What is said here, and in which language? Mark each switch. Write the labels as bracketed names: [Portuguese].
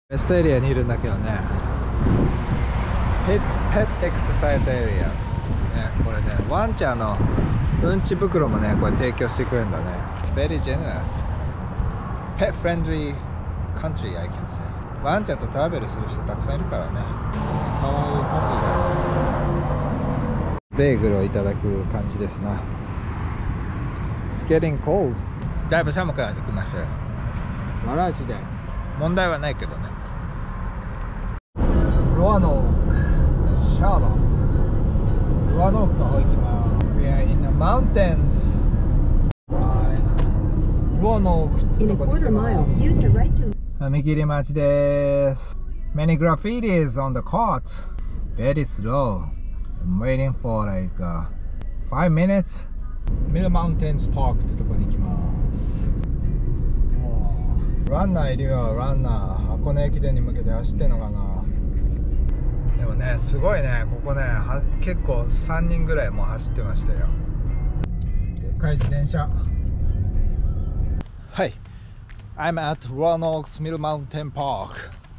[Japanese] エリアにいるんだけどね、ペットエクササイズエリア、ね、これね、ワンちゃんのうんち袋もね、これ提供してくれるんだね。 [English] It's very generous. Pet friendly country, I can say. [Japanese] ワンちゃんとトラベルする人たくさんいるからね。かわいいパピーだ。ベーグルをいただく感じですな。 [English] It's getting cold. [Japanese] だいぶ寒くなってきました。わらしで問題はないけどね。 [English] Roanoke, Charlotte. [Japanese] Roanoke の方行きます。 [English] We are in the mountains. [Japanese] Roanoke ってとこに行きます。踏切待ちです。 [English] Many graffitis on the court. Very slow. I'm waiting for like 5 minutes. [Japanese] Middle Mountains Park ってとこに行きます。 [English] ランナーいるよ。 [Japanese] ランナー箱根駅伝に向けて走ってんのかな。ね、すごいね、ここね、結構3人ぐらいもう走ってましたよ。でかい自転車。 [English] はい、 I'm at Roanoke's Middle Mountain Park.